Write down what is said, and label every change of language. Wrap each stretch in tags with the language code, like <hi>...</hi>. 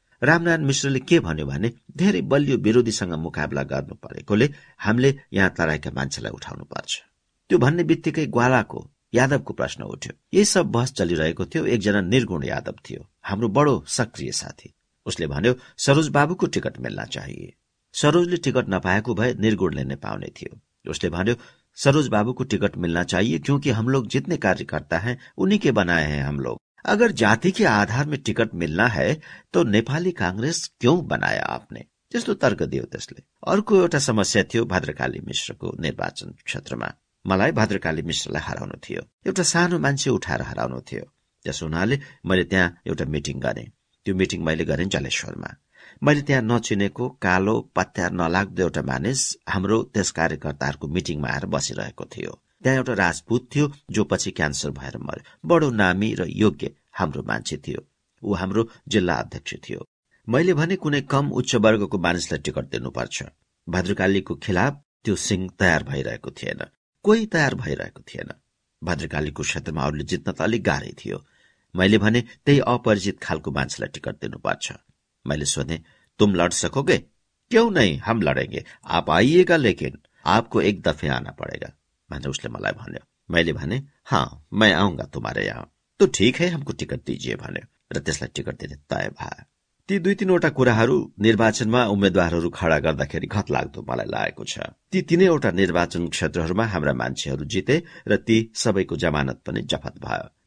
<ne>रामनारायण मिश्रले के भन्यो भने धेरै बलियो विरोधीसँग मुकाबला गर्नु परेकोले हामीले यहाँ तराईका मान्छेलाई उठाउनु पर्छ। त्यो भन्ने बित्तिकै ग्वालाको, यादवको प्रश्न उठ्यो। यही सब बहस चलिरहेको थियो। एकजना निर्गुण यादव थियो, हाम्रो बडो सक्रिय साथी। उसले भन्यो</ne> <hi>सरोज बाबुको टिकट मिल्न चाहिए।</hi> <ne>सरोजले टिकट नपाएको भए निर्गुणले नै पाउने थियो। उसले भन्यो</ne> <hi>सरोज बाबू को टिकट मिलना चाहिए क्योंकि हम लोग जितने कार्यकर्ता हैं उन्हीं के बनाए हैं हम लोग। अगर जाति के आधार में टिकट मिलना है तो नेपाली कांग्रेस क्यों बनाया आपने?</hi> <ne>त्यस्तो तर्क दियो त्यसले। अर्को एउटा समस्या थियो भद्रकाली मिश्रको निर्वाचन क्षेत्रमा। मलाई भद्रकाली मिश्रलाई हराउनु थियो, एउटा सानो मान्छे उठाएर हराउनु थियो। त्यस हुनाले मैले त्यहाँ एउटा मिटिङ गरेँ। त्यो मिटिङ मैले गरेँ जलेश्वरमा। मैले त्यहाँ नचिनेको कालो पत्यार नलाग्दो एउटा मानिस हाम्रो त्यस कार्यकर्ताहरूको मिटिङमा आएर बसिरहेको थियो। त्यहाँ एउटा राजपूत थियो जो पछि क्यान्सर भएर मर्यो। बडो नामी र योग्य हाम्रो मान्छे थियो। ऊ हाम्रो जिल्ला अध्यक्ष थियो। मैले भने कुनै कम उच्च वर्गको मानिसलाई टिकट दिनुपर्छ। भद्रकालीको खिलाफ त्यो सिंह तयार भइरहेको थिएन, कोही तयार भइरहेको थिएन। भद्रकालीको क्षेत्रमा अरूले जित्न त अलिक गाह्रै थियो। मैले भने त्यही अपरिचित खालको मान्छेलाई टिकट दिनुपर्छ। मैले सोधे</ne> <hi>तुम लड सकोगे? क्यों नहीं, हम लड़ेंगे, आप आइएगा, लेकिन आपको एक दफे आना पड़ेगा,</hi> <ne>भने उसले मलाई भन्यो। मैले भने</ne> <hi>हाँ मैं आऊंगा तुम्हारे यहाँ, तो ठीक है हमको टिकट दीजिए</hi> <ne>भन्यो र त्यसलाई टिकट दिने तय भयो। ती दुई तीनवटा कुराहरू निर्वाचनमा उम्मेद्वारहरू खड़ा गर्दाखेरि घतलाग्दो मलाई लागेको छ। ती तीनैवटा निर्वाचन क्षेत्रहरूमा हाम्रा मान्छेहरू जिते र ती सबैको जमानत पनि जफत भयो।</ne>